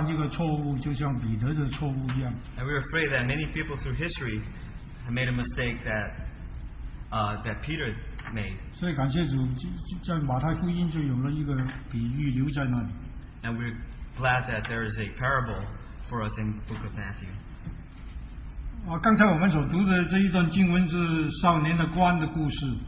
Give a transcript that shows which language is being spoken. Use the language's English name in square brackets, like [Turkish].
[Chinese] 恐怕历史历代以来许多人都犯一个错误，就像彼得的错误一样。 [English] And we're afraid that many people through history have made a mistake that Peter made. [Chinese] 所以感谢主，在马太福音就有了一个比喻留在那里。 [English] And we're glad that there is a parable for us in the book of Matthew. [Chinese] 刚才我们所读的这一段经文是少年的官的故事。